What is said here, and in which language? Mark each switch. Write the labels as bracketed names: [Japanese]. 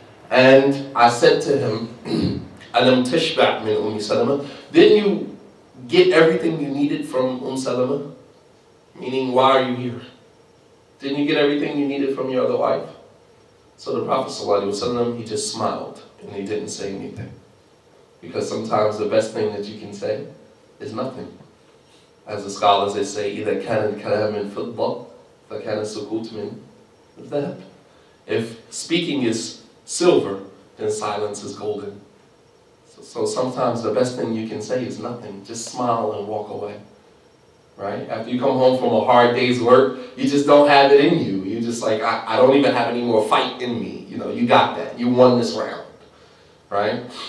[English] And I said to him, [Arabic] Alam tashba' min Umm Salama, [English] didn't you get everything you needed from Umm Salama? Meaning, why are you here? Didn't you get everything you needed from your other wife? So the Prophet sallallahu alayhi wa sallam, he just smiled and he didn't say anything. Because sometimes the best thing that you can say is nothing. [Arabic] As the scholars, they say, إِذَا كَانَ الْكَلَامِ مِنْ فِضَّةٍ فَكَانَ السُّكُوتُ مِنْ ذَهَبٍ. [English] If speaking is silver, then silence is golden. So sometimes the best thing you can say is nothing. Just smile and walk away. Right? After you come home from a hard day's work, you just don't have it in you. You're just like, I don't even have any more fight in me. You know, you got that. You won this round. Right?